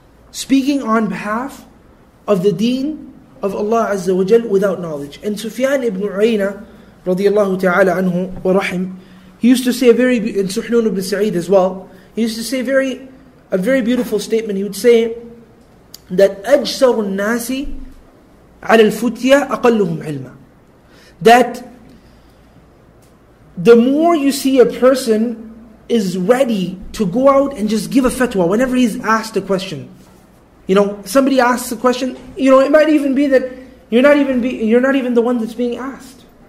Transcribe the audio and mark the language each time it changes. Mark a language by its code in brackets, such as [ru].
[en] Speaking on behalf of the deen of Allah Azza wa Jal without knowledge. And Sufyan ibn Uyayna, radiallahu ta'ala anhu wa rahim, he used to say a very, and Suhnun ibn Sa'id as well, he used to say a very beautiful statement. He would say that [ar] أجسر الناس على الفتية أقلهم علما. [en] That the more you see a person is ready to go out and just give a fatwa whenever he's asked a question. You know, somebody asks a question, you know, it might even be that you're not even the one that's being asked.